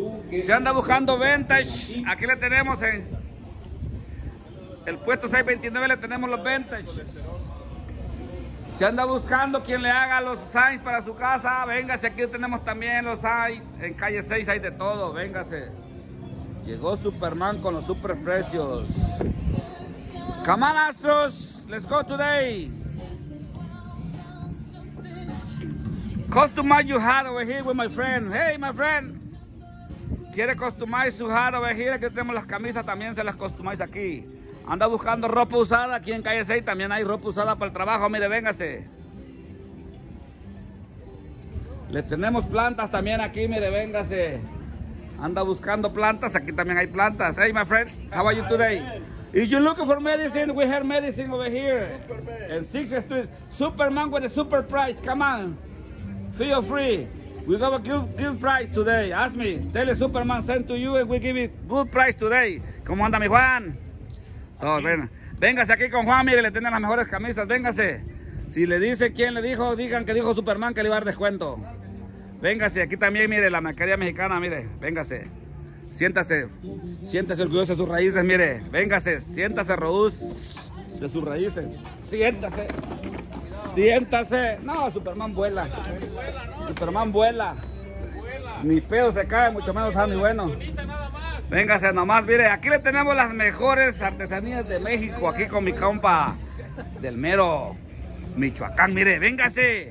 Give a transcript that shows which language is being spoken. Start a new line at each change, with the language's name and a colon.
Spanish: Si anda buscando Vintage, aquí le tenemos en el puesto 629, le tenemos los Vintage. Si anda buscando quien le haga los signs para su casa, véngase. Aquí tenemos también los signs. En calle 6 hay de todo, véngase. Llegó Superman con los super precios.
English: Camarazos, let's go today. Customize your hat over here with my friend. Hey, my friend. ¿Quiere customize su hat over here?
Spanish: Aquí tenemos las camisas, también se las customize aquí. Anda buscando ropa usada aquí en calle 6. También hay ropa usada para el trabajo. Mire, véngase. Le tenemos plantas también aquí. Mire, véngase. Anda buscando plantas, aquí también hay plantas.
English: Hey, my friend, how are you today? If you're looking for medicine, we have medicine over here. Superman. In 6th Street, Superman with a super price, come on. Feel free. We have a good price today. Ask me, tell the Superman send to you and we give it good price today.
Spanish: ¿Cómo anda mi Juan? Todo bien. Véngase aquí con Juan, mire, le tienen las mejores camisas, véngase. Si le dice quién le dijo, digan que dijo Superman que le iba a dar descuento. Véngase, aquí también, mire, la mercadería mexicana, mire, véngase, siéntase, siéntase orgulloso de sus raíces, mire, véngase, siéntase, Rous, de sus raíces, siéntase, siéntase, no, Superman vuela, Superman vuela, ni pedo se cae, mucho menos Sammy bueno, véngase nomás, mire, aquí le tenemos las mejores artesanías de México, aquí con mi compa del mero Michoacán, mire, véngase.